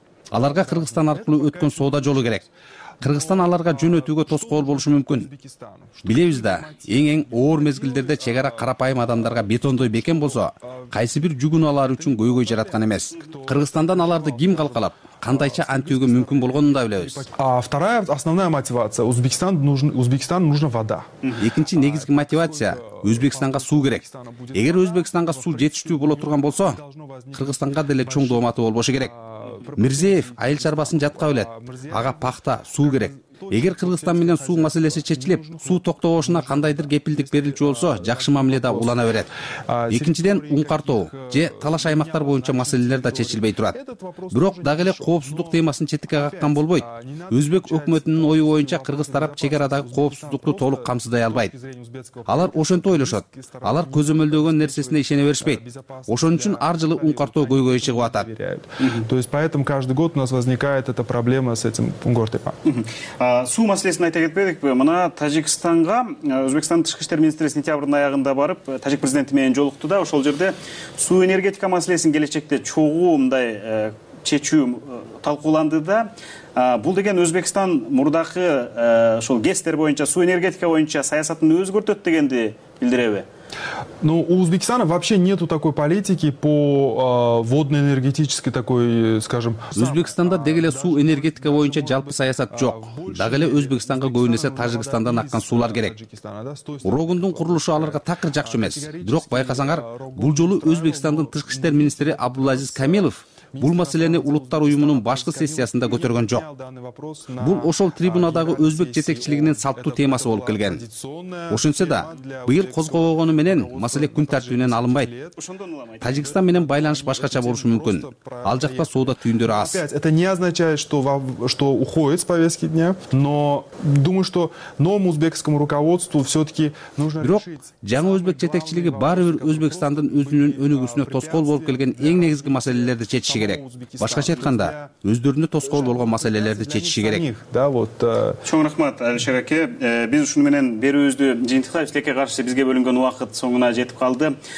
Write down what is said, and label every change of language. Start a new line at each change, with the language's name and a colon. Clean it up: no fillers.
Kyrgyz: Аларга Кыргызстан аркылуу өткөн соода жолу керек. Кыргызстан аларга жөнөтүүгө тоскоол болушу мүмкүн. Билебиз да, эң оор мезгилдерде чек ара карапайым адамдарга бетондой бекем болсо, кайсы бир жүгүн алар үчүн көйгөй жараткан эмес. Кыргызстандан аларды ким калкалап, кандайча антүүгө мүмкүн болгонун да билебиз.
Russian: А вторая основная мотивация — Узбекистану нужна вода.
Kyrgyz: Экинчи негизги мотивация — Өзбекстанга суу керек. Эгер Өзбекстанга суу жетиштүү боло турган болсо, Кыргызстанга деле чоң доомату болбошу керек. Мирзиев айыл чарбасын жатка билет. Ага пахта, суу керек. Эгер Кыргызстан менен суу маселеси чечилип, суу токтобошуна кандайдыр кепилдик берилчү болсо, жакшы мамиле да улана берет. Экинчиден, ун картоо же талаш аймактар боюнча маселелер да чечилбей турат. Бирок дагы эле коопсуздук темасын четке каккан болбойт. Өзбек өкмөтүнүн ою боюнча кыргыз тарап чек арадагы коопсуздукту толук камсыздай албайт. Алар ошентип ойлошот. Алар көзөмөлдөгөн нерсесине ишене беришпейт. Ошон үчүн ар жылы ун картоо көйгөйү чыгып атат.
Russian: То есть поэтому каждый год у нас возникает эта проблема с этим пунктом.
Kyrgyz: Суу маселесин айта кетпедикпи? Мына Тажикстанга Өзбекстандын тышкы иштер министри сентябрдын аягында барып, тажик президенти менен жолукту да. Ошол жерде суу энергетика маселесин келечекте чогуу мындай чечүү талкууланды да. Бул деген Өзбекстан мурдакы ошол ГЭСтер боюнча, суу энергетика боюнча саясатын өзгөртөт дегенди билдиреби?
Russian: Ну, у Узбекистана вообще нету такой политики по водно-энергетической такой, скажем...
Kyrgyz: Өзбекистанда деги эле суу энергетика боюнча жалпы саясат жок. Дагы эле Өзбекистанга көбүнесе Тажикстандан аккан суулар керек. Урогундун курулушу аларга такыр жакшы эмес. Бирок байкасаңар, бул жолу Өзбекистандын тышкы иштер министри Абдулазиз Камилов бул маселени улуттар уюмунун башкы сессиясында көтөргөн жок. Бул ошол трибунадагы өзбек жетекчилигинин салттуу темасы болуп келген. Ошентсе да, быйыл козголгону менен маселе күн тартибинен алынбайт. Тажикстан менен байланыш башкача болушу мүмкүн. Ал жакта соода түйүндөрү аз.
Russian: Это не означает, что уходит с повестки дня, но думаю, что новому узбекскому руководству все-таки нужно решить.
Kyrgyz: Жаңы өзбек жетекчилиги баары бир Өзбекстандын өзүнүн өнүгүүсүнө тоскоол болуп келген эң негизги маселелерди чечиши керек. Башкача айтканда, өздөрүнө тоскоол болгон маселелерди чечиши керек.
Russian: Да, вот.
Kyrgyz: Чоң рахмат, Алишер аке. Биз ушуну менен берүүбүздү жыйынтыктайбыз. Тилекке каршы бизге бөлүнгөн убакыт соңуна жетип калды.